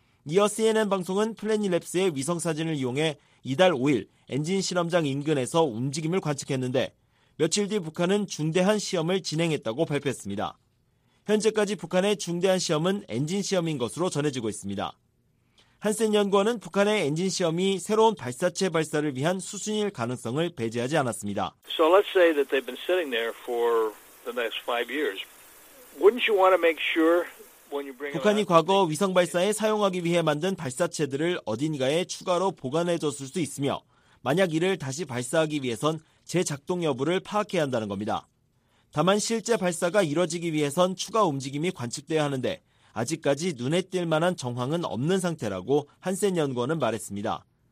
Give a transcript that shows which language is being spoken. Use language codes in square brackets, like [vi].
[ko] 이어 CNN 방송은 플래닛랩스의 위성사진을 이용해 이달 5일 엔진 실험장 인근에서 움직임을 관측했는데 며칠 뒤 북한은 중대한 시험을 진행했다고 발표했습니다. 현재까지 북한의 중대한 시험은 엔진 시험인 것으로 전해지고 있습니다. 한센 연구원은 북한의 엔진 시험이 새로운 발사체 발사를 위한 수순일 가능성을 배제하지 않았습니다. [en] So let's say that they've been sitting there for the next five years. Wouldn't you want to make sure when you bring [ko] 북한이 과거 위성 발사에 사용하기 위해 만든 발사체들을 어딘가에 추가로 보관해 줬을 수 있으며 만약 이를 다시 발사하기 위해선 재작동 여부를 파악해야 한다는 겁니다. 다만 실제 발사가 이뤄지기 위해선 추가 움직임이 관측돼야 하는데 아직까지 눈에 띌 만한 정황은 없는 상태라고 한센 연구원은 말했습니다.